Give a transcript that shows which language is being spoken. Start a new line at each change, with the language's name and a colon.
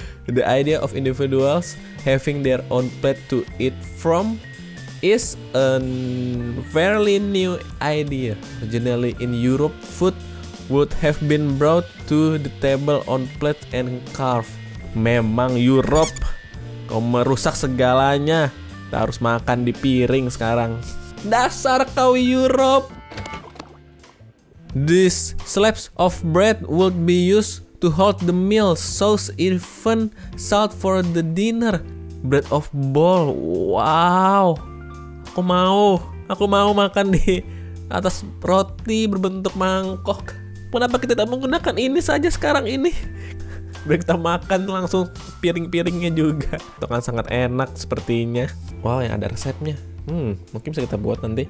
English: The idea of individuals having their own plate to eat from is a fairly new idea. Originally in Europe, food would have been brought to the table on plate and carved.
Indonesian: Memang Europe, kau merusak segalanya. Kita harus makan di piring sekarang. Dasar kau Europe.
English: These slabs of bread would be used to hold the meal, sauce, even salt for the dinner. Bread of bowl. Wow.
Indonesian: Aku mau makan di atas roti berbentuk mangkok. Kenapa kita tidak menggunakan ini saja sekarang ini? Biar kita makan langsung piring-piringnya juga. Itu kan sangat enak sepertinya. Wow, yang ada resepnya. Mungkin bisa kita buat nanti.